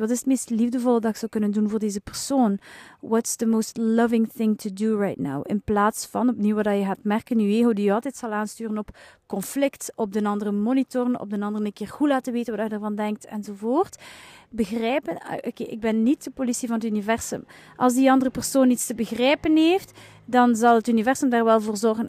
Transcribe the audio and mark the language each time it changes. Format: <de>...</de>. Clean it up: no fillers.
<nl>Wat is het meest liefdevolle dat ik zou kunnen doen voor deze persoon?</nl> <en>What's the most loving thing to do right now?</en> <nl>In plaats van, opnieuw wat je gaat merken, je ego die je altijd zal aansturen op conflict, op de andere monitoren, op de andere een keer goed laten weten wat je ervan denkt, enzovoort. Begrijpen, oké, ik ben niet de politie van het universum. Als die andere persoon iets te begrijpen heeft, dan zal het universum daar wel voor zorgen.</nl>